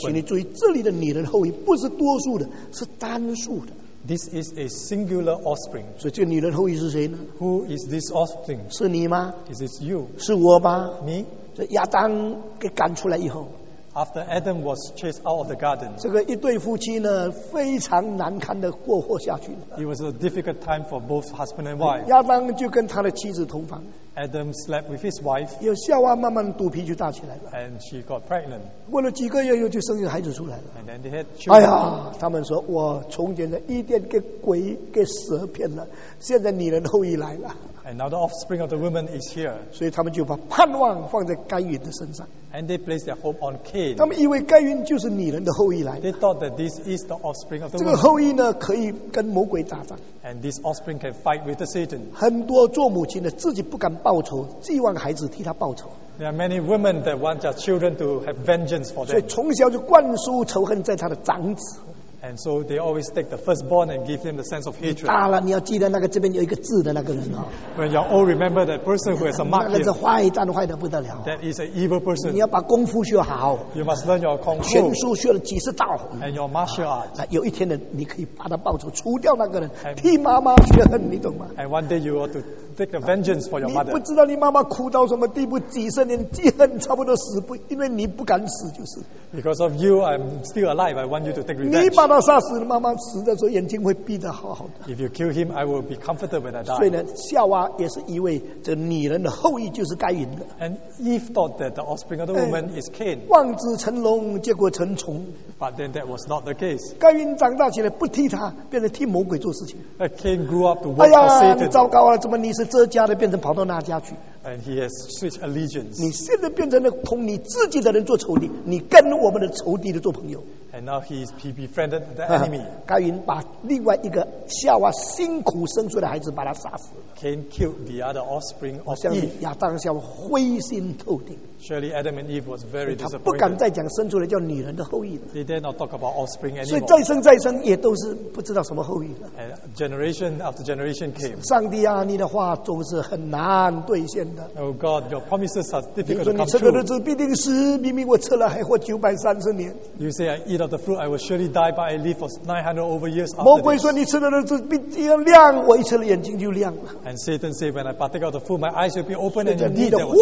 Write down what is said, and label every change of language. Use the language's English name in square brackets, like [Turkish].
[Chinese] 请你注意，这里的女人后裔不是多数的，是单数的。 [English] This is a singular offspring. [Chinese] 所以这个女人后裔是谁呢 [English] ？Who is this offspring? [Chinese] 是你吗 [English] ？Is it you? [Chinese] 是我吧 [English] ？Me? [Chinese] 这亚当给赶出来以后。 [English] After Adam was chased out of the garden, [Chinese] 这个一对夫妻呢，非常难堪的过活下去。 [English] It was a difficult time for both husband and wife. [Chinese] 亚当就跟他的妻子同房。 [English] Adam slept with his wife. [Chinese] 有夏娃慢慢肚皮就大起来了。 [English] And she got pregnant. [Chinese] 过了几个月又就生了孩子出来了。 [English] And then they had children. [Chinese] 哎呀，他们说我从前的伊甸给鬼给蛇骗了，现在女人后裔来了。 [English] And now the offspring of the woman is here. [Chinese] 所以他们就把盼望放在该隐的身上。 [English] And they place their hope on Cain. [Chinese] 他们以为该隐就是女人的后裔来的。 [English] They thought that this is the offspring of the woman. [Chinese] 这个后裔呢，可以跟魔鬼打仗。 [English] And this offspring can fight with the Satan. [Chinese] 很多做母亲的自己不敢报仇，寄望孩子替他报仇。 [English] There are many women that want their children to have vengeance for them. [Chinese] 所以从小就灌输仇恨在他的长子。 [English] And so they always take the firstborn and give them the sense of hatred. [Chinese] 大了，你要记得那个这边有一个字的那个人啊。 [English] When you all remember that person who has a mark. [Chinese] 那个是坏蛋，坏得不得了。 [English] That is an evil person. [Chinese] 你要把功夫学好。 [English] You must learn your kung fu. [Chinese] 拳术学了几十道。 [English] And your martial art. [Chinese] 那有一天呢，你可以把他报仇，除掉那个人，替妈妈学恨，你懂吗 [English] ？And one day you ought to take the vengeance for your mother. [Chinese] 你不知道你妈妈苦到什么地步，几十年记恨差不多死不，因为你不敢死就是。 [English] Because of you, I'm still alive. I want you to take revenge. [Chinese] 你把他杀死了，妈妈死的时候眼睛会闭得好好的。 [English] If you kill him, I will be comforted when I die. [Chinese] 所以呢，夏娃也是以为这女人的后裔就是该隐的。 [English] And Eve thought that the offspring of the woman is Cain. [Chinese] 望子成龙，结果成虫。 [English] But then that was not the case. [Chinese] 该隐长大起来不替他，变成替魔鬼做事情。 [English] But Cain grew up to work for Satan. [Chinese] 哎呀，你糟糕啊！怎么你是这家的，变成跑到那家去？ [English] And he has switched allegiance. [Chinese] 你现在变成了同你自己的人做仇敌，你跟我们的仇敌的做朋友。 [English] And now he befriended the enemy. [Chinese] 该隐把另外一个夏娃辛苦生出的孩子把他杀死了。Cain [English] killed the other offspring of Eve. [Chinese] 亚当和夏娃灰心透顶。 [English] Surely Adam and Eve was very disappointed. [Chinese] 他不敢再讲生出来叫女人的后裔了。 [English] They dare not talk about offspring anymore. [Chinese] 所以再生再生也都是不知道什么后裔了。 [English] And generation after generation came. [Chinese] 上帝啊, 你的话总是很难兑现的。 [English] Oh God, your promises are difficult to come true. [Chinese] 你说你吃的日子必定死，明明我吃了还活930年。 [English] You say I eat of the fruit, I will surely die, but I live for 900 over years after [Chinese] 魔鬼说你吃的日子必定亮，我一吃了眼睛就亮了。 [English] And Satan said, when I partake of the fruit, my eyes will be open and indeed.